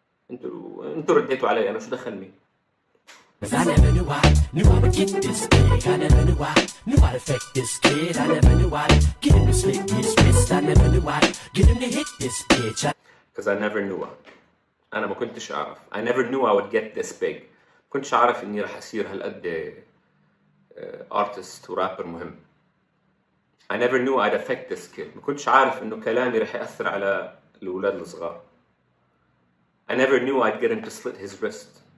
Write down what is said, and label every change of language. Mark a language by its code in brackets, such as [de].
[ar] انتوا رديتوا علي، انا شو دخلني؟ [en] I never knew why, knew I would get this big. I never knew why, knew I'd affect this kid. I never knew why, get him to slit his wrist. I never knew why, get him to hit this bitch. Because I never knew why. [ar] أنا ما كنتش أعرف. [en] I never knew I would get this big. [ar] كنتش أعرف إني رح أصير هالقد artist ورابر مهم. [en] I never knew I'd affect this kid. [ar] ما كنتش أعرف إنه كلامي رح يأثر على الأولاد الصغار. [en] I never knew I'd get him to slit his wrist.